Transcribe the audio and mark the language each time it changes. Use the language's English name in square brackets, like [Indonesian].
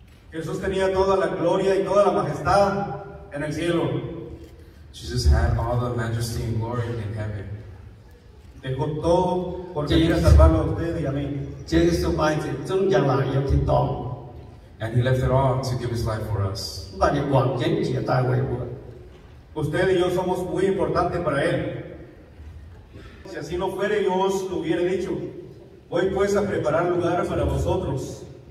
[Spanish] Jesús tenía toda la gloria y toda la majestad en el cielo. [English] Jesus had all the majesty and glory in heaven. [Spanish] Dejó todo porque quería salvarlo a usted y a mí. [English] And he left it all to give his life for us. [Spanish] Usted y yo somos muy importantes para él. Si así no fuere, yo os lo hubiera dicho. Voy pues a preparar lugar para vosotros.